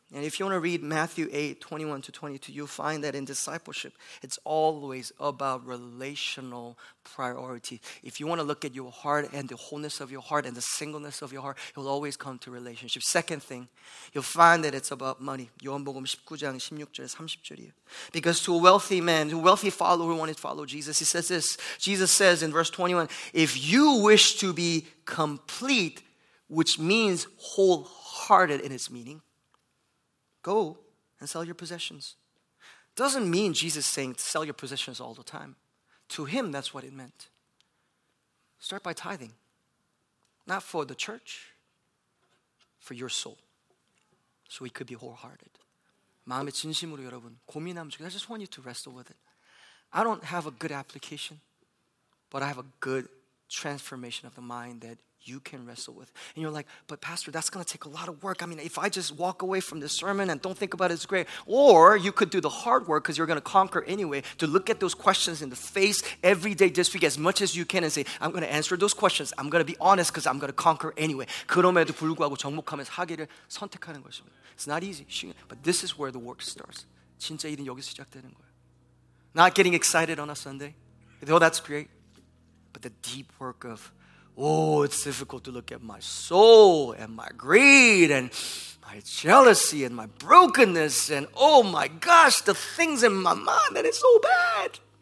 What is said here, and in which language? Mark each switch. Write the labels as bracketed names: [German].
[English] And if you want to read Matthew 8, 21 to 22, you'll find that in discipleship, it's always about relational priority. If you want to look at your heart and the wholeness of your heart and the singleness of your heart, it will always come to relationship. Second thing, you'll find that it's about money. [Korean] 요한복음 19장 16절에서 30절이에요. [English] Because to a wealthy man, to a wealthy follower who wanted to follow Jesus, he says this. Jesus says in verse 21, if you wish to be complete, which means wholehearted in its meaning, go and sell your possessions. Doesn't mean Jesus saying sell your possessions all the time. To him, that's what it meant. Start by tithing. Not for the church, for your soul. So we could be wholehearted. [Korean] 마음의 진심으로 여러분, 고민하면 좋겠어요. [English] I just want you to wrestle with it. I don't have a good application, but I have a good transformation of the mind that you can wrestle with. And you're like, but pastor, that's going to take a lot of work. I mean, if I just walk away from this sermon and don't think about it, it's great. Or you could do the hard work because you're going to conquer anyway, to look at those questions in the face every day this week as much as you can and say, I'm going to answer those questions. I'm going to be honest because I'm going to conquer anyway. [Korean] 그럼에도 불구하고 정목하면서 하기를 선택하는 것입니다. [English] It's not easy. But this is where the work starts. [Korean] 진짜 일은 여기 시작되는 거예요. [English] Not getting excited on a Sunday. Though that's great. But the deep work of, oh, it's difficult to look at my soul and my greed and my jealousy and my brokenness and, oh my gosh, the things in my mind that is so bad.